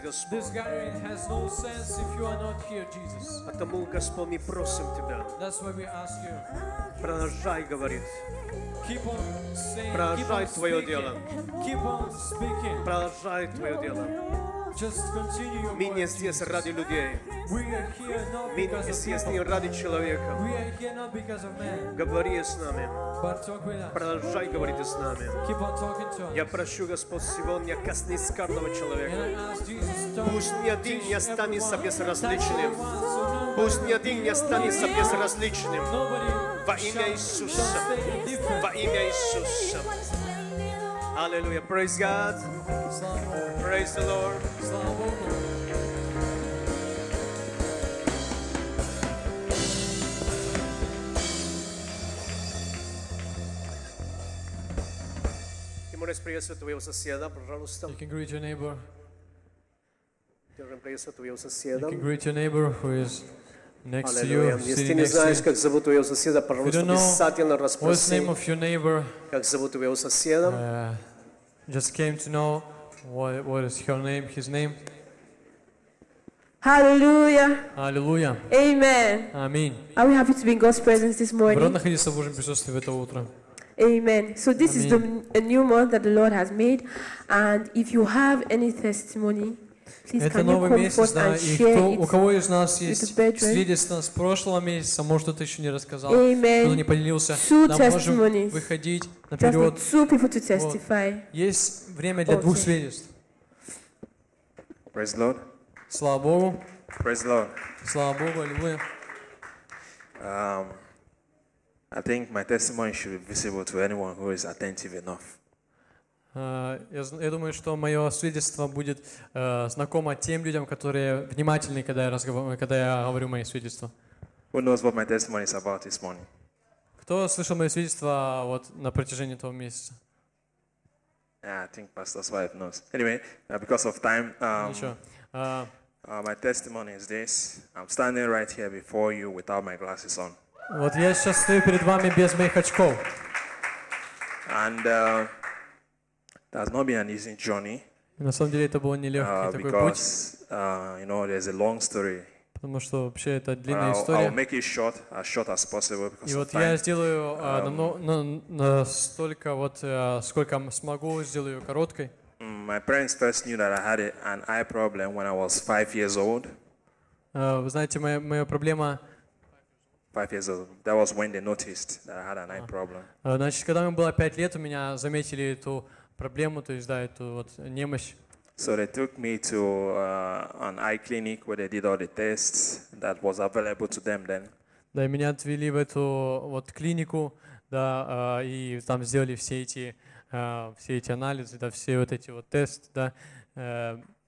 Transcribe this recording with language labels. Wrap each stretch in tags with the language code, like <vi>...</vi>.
<en>This gathering has no sense if you are not here, Jesus.</en> <ru>Потому, Господь, мы просим Тебя.</ru> <en>That's why we ask you.</en> <ru>Продолжай говорить.</ru> <en>Keep on saying.</en> <ru>Продолжай твое дело.</ru> <en>Keep on speaking.</en> <ru>Продолжай твое дело.</ru> <en>Just continue your work.</en> <ru>Мы не здесь ради людей.</ru> <en>We are here not because of people.</en> <ru>Мы не здесь ради человека.</ru> <en>We are here not because of man.</en> <ru>Говори с нами.</ru> <en>But talk with us.</en> <ru>Продолжай говорить с нами.</ru> <en>Keep on talking to us.</en> <ru>Я прошу, Господь, сегодня коснись каждого человека.</ru> <en>And I ask Jesus,</en> <ru>пусть ни один не останется безразличным. Пусть ни один не останется безразличным. Во имя Иисуса. Во имя Иисуса.</ru> <en>Hallelujah. Praise God. Praise the Lord.</en> <ru>Ты можешь приветствовать твоего соседа, пожалуйста.</ru> <en>You can greet your neighbor.</en> <ru>Ты можешь приветствовать твоего соседа.</ru> <en>You can greet your neighbor who is next to you.</en> <ru>Если ты не знаешь, как зовут твоего соседа, пожалуйста, обязательно расспроси, как зовут твоего соседа.</ru> <en>Just came to know what is her name, his name. Hallelujah. Hallelujah. Amen. Amen. Are we happy to be in God's presence this morning? Amen. So this Amen. Is a new month that the Lord has made. And if you have any testimony, please</en> <ru>это</ru> <en>can you come forth and share it with the brethren.</en> <ru>У кого из нас есть свидетельство с прошлого месяца, может, кто-то еще не рассказал,</ru> <en>Amen.</en> <ru>Кто-то не поделился, нам можем выходить наперед.</ru> <en>Just two people to testify.</en> <ru>Вот. Есть время для двух свидетельств.</ru> <en>Praise the Lord.</en> <ru>Слава Богу.</ru> <en>Praise the Lord.</en> <ru>Слава Богу, аллилуйя.</ru> <en>I think my testimony should be visible to anyone who is attentive enough.</en> <ru>Я думаю, что мое свидетельство будет знакомо тем людям, которые внимательны, когда я говорю мои свидетельства.</ru> <en>Who knows what my testimony is about this morning?</en> <ru>Кто слышал мое свидетельство вот на протяжении этого месяца?</ru> <en>I think Pastor's wife knows. Anyway, because of time, my testimony is this: I'm standing right here before you without my glasses on.</en> <ru>Вот я сейчас стою перед вами без моих очков.</ru> <en>And that's not been an easy journey.</en> <ru>На самом деле это было нелегкий такой путь.</ru> <en>Because you know, there's a long story.</en> <ru>Потому что вообще это длинная история.</ru> <en>I'll make it short, as short as possible, because</en> <ru>и вот я сделаю настолько вот, сколько смогу, сделаю короткой.</ru> <en>My parents first knew that I had an eye problem when I was 5 years old.</en> <ru>Вы знаете, моя проблема.</ru> <en>5 years old. That was when they noticed that I had an eye problem.</en> <ru>Значит, когда мне было 5 лет, у меня заметили эту проблему, то есть да, эту вот немощь.</ru> <en>So they took me to an eye clinic where they did all the tests that was available to them then.</en> <ru>Да, меня отвели в эту вот клинику, да, и там сделали все эти анализы, да, все вот эти вот тесты, да.</ru>